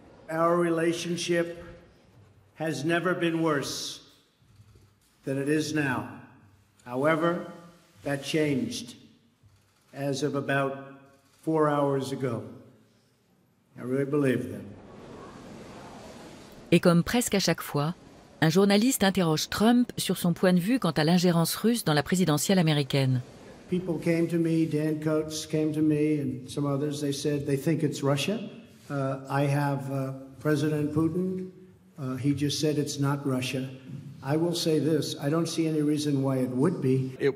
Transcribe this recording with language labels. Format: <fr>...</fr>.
<en>Our relationship has never been worse than it is now. However, that changed as of about 4 hours ago. I really believe that.</en> <fr>Et comme presque à chaque fois, un journaliste interroge Trump sur son point de vue quant à l'ingérence russe dans la présidentielle américaine.</fr> <en>People came to me, Dan Coats came to me and some others, they said they think it's Russia. President Putin, he just said it's not Russia. I will say this, I don't see any reason why it would be.</en>